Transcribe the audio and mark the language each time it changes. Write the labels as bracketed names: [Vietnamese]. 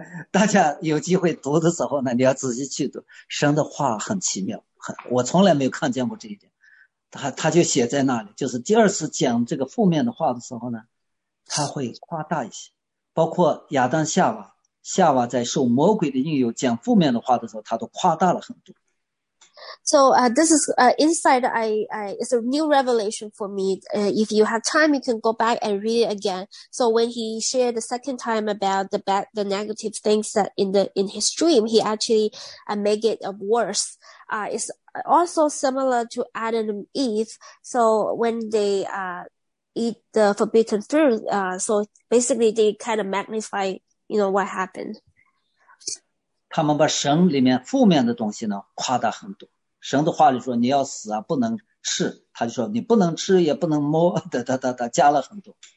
[Chinese] 大家有机会读的时候呢，你要仔细去读，神的话很奇妙，我从来没有看见过这一点。他就写在那里，就是第二次讲这个负面的话的时候呢，他会夸大一些，包括亚当夏娃。夏娃在受魔鬼的引诱讲负面的话的时候，他都夸大了很多。 [English] So this is inside. I it's a new revelation for me. If you have time, you can go back and read it again. So when he shared the second time about the negative things that in his dream, he actually make it worse. It's also similar to Adam and Eve. So when they eat the forbidden fruit, so basically they kind of magnify. You know what happened? [Chinese] 他们把神里面负面的东西呢夸大很多。神的话里说你要死啊，不能吃。他就说你不能吃也不能摸，他加了很多。